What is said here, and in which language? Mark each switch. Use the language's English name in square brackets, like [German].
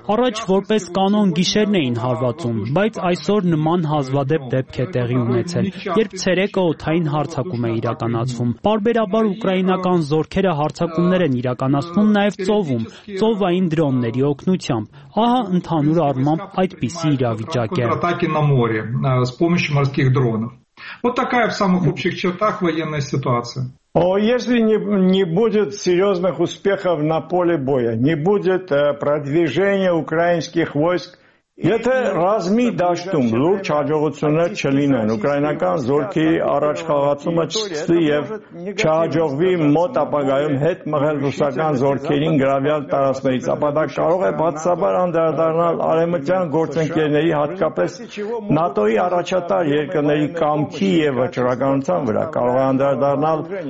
[Armenian] առաջ որպես կանոն գիշերն էին հարվածում, բայց այսօր նման հազվադեպ դեպք է տեղի ունեցել, երբ ցերեկը օթային հարձակում է իրականացվում, պարբերաբար ուկրաինական զորքերը հարձակումներ են իրականացնում նաև ծովում, ծովային դրոնների օգնությամբ, ահա ընդհանուր առմամբ այդպիսի իրավիճակ է [Russian] на море с помощью морских дронов. Вот такая в самых общих чертах военная ситуация. О, если не будет серьезных успехов на поле боя, не будет продвижения украинских войск, [Armenian] Եթե ռազմի դաշտում լուրջ հաջողություններ չլինեն, ուկրաինական զորքի առաջխաղացումը չսկսվի և չհաջողվի մոտ ապագայում հետ մղել ռուսական զորքերին գրավյալ տարածքներից, ապա դա կարող է բացասաբար անդրադառնալ արևմտյան գործընկերների, հատկապես ՆԱՏՕ-ի առաջատար երկրների կամքի և վճռականության վրա, կարող է անդրադառնալ